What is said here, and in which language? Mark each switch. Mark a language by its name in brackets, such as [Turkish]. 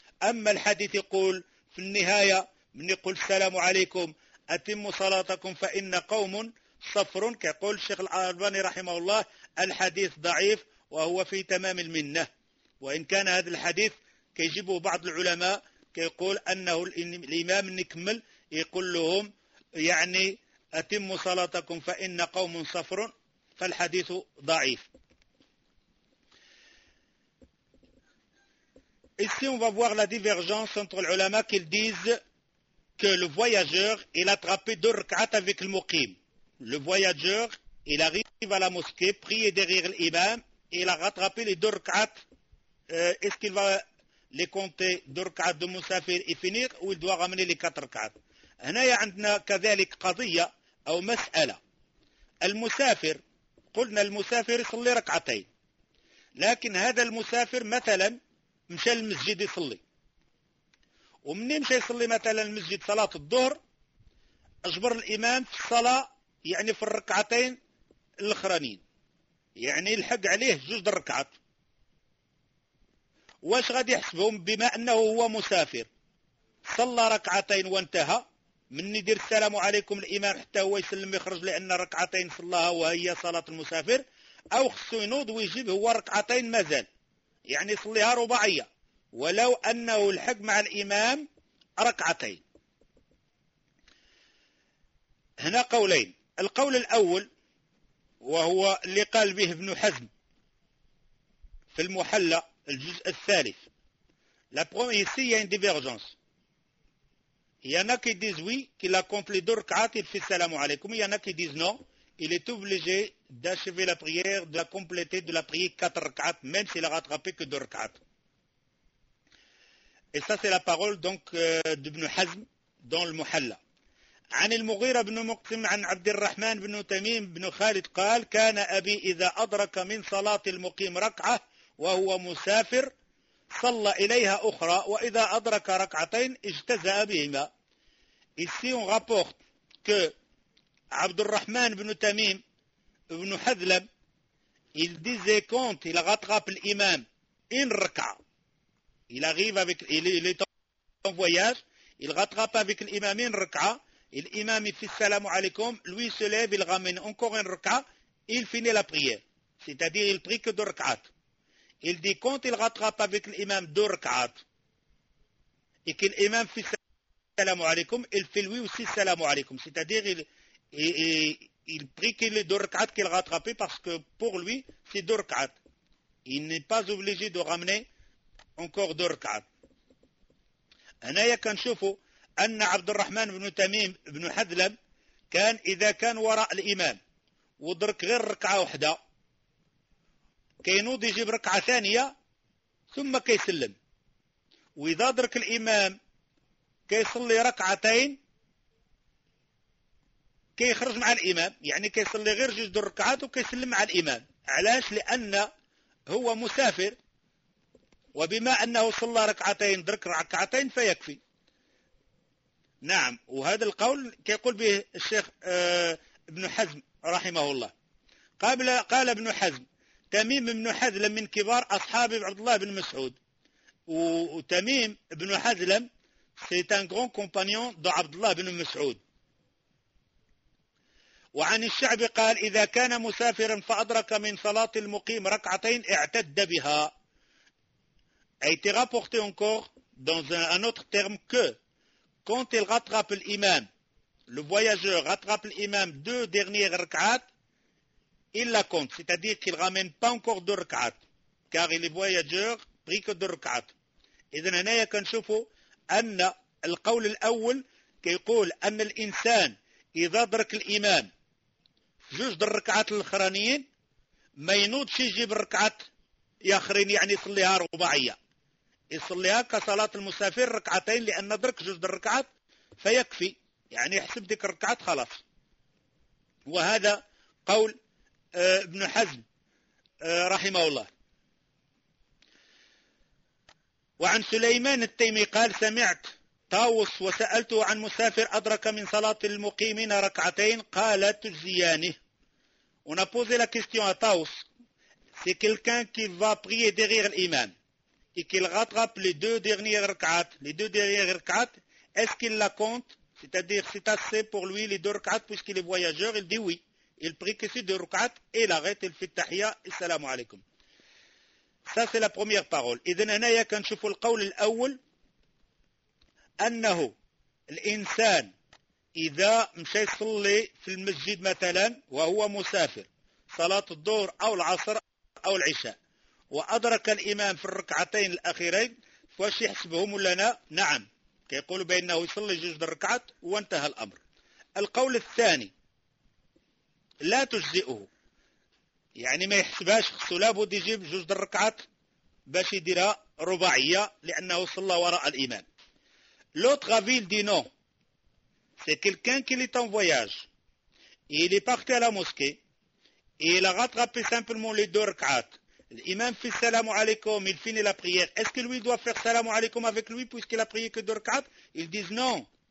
[Arabic] اما الحديث يقول في النهايه من يقول السلام عليكم اتموا صلاتكم فان قوم صفر، كيقول الشيخ الألباني رحمه الله الحديث ضعيف وهو في تمام المنه، وان كان هذا الحديث كيجيبه بعض العلماء كيقول انه الامام نكمل يقول لهم يعني اتموا صلاتكم فان قوم صفر، فالحديث ضعيف. [French] Ici on va voir la divergence entre l'ulama qui disent que le voyageur il a attrapé deux rak'at avec le muqim. Le voyageur il arrive à la mosquée, prier derrière l'imam, il a rattrapé les deux rak'at. Est-ce qu'il va les compter deux rak'at de musafir et finir ou il doit ramener les quatre rak'at? [Arabic] هنا عندنا كذلك قضية أو مسألة. المسافر قلنا المسافر يصلي ركعتين، لكن هذا المسافر مثلا مشى المسجد يصلي، ومنين مشى يصلي مثلا المسجد صلاة الظهر أجبر الإمام في الصلاة يعني في الركعتين الأخرانين، يعني الحق عليه جوج ركعات، واش غادي يحسبهم؟ بما أنه هو مسافر صلى ركعتين وانتهى، من يدير السلام عليكم الإمام حتى هو يسلم يخرج لأن ركعتين صلاها وهي صلاة المسافر، أو خصو ينوض ويجيب هو ركعتين مازال يعني صليها رباعية ولو أنه الحق مع الإمام ركعتين. هنا قولين. القول الأول وهو اللي قال به ابن حزم في المحلى الجزء الثالث. [French] La première ici il y a une divergence. Il y en a qui disent oui qu'il a compté deux rak'at et fait salam alaykoum. Il y en a qui disent non. Il est obligé d'achever la prière, de la compléter, de la prier quatre rak'at, même s'il a rattrapé que deux rak'at. Et ça, c'est la parole donc d'Ibn Hazm dans le Muhalla. [Arabic] عن المغيرة بن مقسم عن عبد الرحمن بن تميم بن خالد قال كان أبي إذا أدرك من صلاة المقيم ركعة وهو مسافر صلى إليها أخرى وإذا أدرك ركعتين اجتزأ بهما. [French] Ici on rapporte que عبد الرحمن بن تميم بن حذلم il disait quand il rattrape l'imam une rak'a, il arrive avec il est en voyage, il rattrape avec l'imam une rak'a, l'imam il fait salam alaykoum, lui se lève, il ramène encore une rak'a, il finit la prière, c'est-à-dire il prie que deux rak'at. Il dit quand il rattrape avec l'imam deux rak'at et que l'imam fait salam alaykoum, il fait lui aussi salam alaykoum, c'est-à-dire il prie que les deux rak'at qu'il a rattrapé parce que pour lui c'est deux rak'at. Il n'est pas obligé de ramener encore deux rak'at. [Arabic] هنا كنشوفوا ان عبد الرحمن بن تميم بن حذلم كان اذا كان وراء الامام ودرك غير ركعه واحده كينوض يجيب ركعه ثانيه ثم كيسلم، واذا درك الامام كيصلي ركعتين كيخرج مع الامام، يعني كيصلي غير جوج دور ركعات وكيسلم مع الامام. علاش؟ لان هو مسافر، وبما انه صلى ركعتين درك ركعتين فيكفي. نعم، وهذا القول كيقول به الشيخ ابن حزم رحمه الله. قال ابن حزم تميم بن حذلم من كبار اصحاب عبد الله بن مسعود، وتميم بن حذلم [French] سي ان غون كومبانيون دو [Arabic] عبد الله بن مسعود. وعن الشعب قال إذا كان مسافرا فأدرك من صلاة المقيم ركعتين اعتد بها. [French] A été rapporté encore dans un autre terme que quand il rattrape l'imam, le voyageur rattrape l'imam deux dernières rak'at, il la compte, c'est-à-dire qu'il ramène pas encore deux rak'at, car le voyageur prie que deux rak'at. [Arabic] إذن هنا كنشوفوا أن القول الأول كيقول أن الإنسان إذا أدرك الإمام جوج الركعات الاخرانيين ما ينوضش يجيب ركعات ياخرين، يعني يصليها رباعيه، يصليها كصلاه المسافر ركعتين لان درك جوج الركعات فيكفي، يعني يحسب ديك الركعات خلاص. وهذا قول ابن حزم رحمه الله. وعن سليمان التيمي قال سمعت طاووس وسألته عن مسافر أدرك من صلاة المقيمين ركعتين قال تجزيانه. [French] On a posé la question à Taos. C'est quelqu'un qui va prier derrière l'imam et qu'il rattrape les deux dernières rak'at. Les deux dernières rak'at, est-ce qu'il la compte? C'est-à-dire, c'est assez pour lui les deux rak'at puisqu'il est voyageur? Il dit oui. Il prie que ces deux rak'at et il arrête. Il fait tahiyya. Assalamu alaikum. Ça, c'est la première parole. Et d'un anaya, quand je fais le qawl l'awl, [Arabic] أنه الإنسان إذا مشى يصلي في المسجد مثلا وهو مسافر صلاة الظهر أو العصر أو العشاء وأدرك الإمام في الركعتين الأخيرين فاش يحسبهم لنا؟ نعم كيقول بأنه يصلي جزء الركعات وانتهى الأمر. القول الثاني لا تجزئه، يعني ما يحسبهاش، لابد يجيب جزء الركعات باش يديرها رباعية لأنه صلى وراء الإمام. [French] L'autre avis dit non. C'est quelqu'un qui est en voyage. Il est parti à la mosquée. Et il a rattrapé simplement les deux rak'at. L'imam fait salamu alaikum, il finit la prière. Est-ce que lui doit faire salamu alaikum avec lui puisqu'il a prié que deux rak'at? Ils disent non.